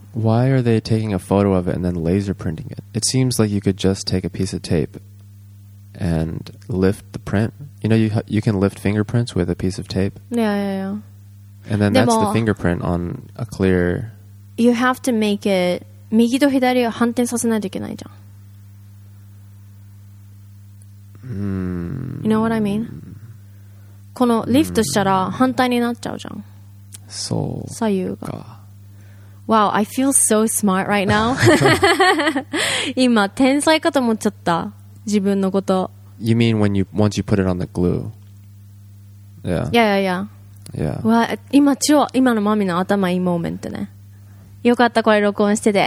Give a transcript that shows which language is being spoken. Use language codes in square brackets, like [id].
[en] Why are they taking a photo of it and then laser printing it? It seems like you could just take a piece of tape and lift the print. You know, you can lift fingerprints with a piece of tape. Yeah, yeah, yeah. And then that's the fingerprint on a clear... You have to make it... [ja] 右と左を反転させないといけないじゃん。 [en] You know what I mean? [ja] このリフトしたら反対になっちゃうじゃん。そう。左右が。 [en] Wow, I feel so smart right now. [ja] 今、天才かと思っちゃった。自分のこと。 [en] You mean when you, once you put it on the glue? Yeah. Yeah, yeah, yeah. Yeah. [ja] わ、今、超、今のマミの頭いいモーメントね。よかった、これ録音してて。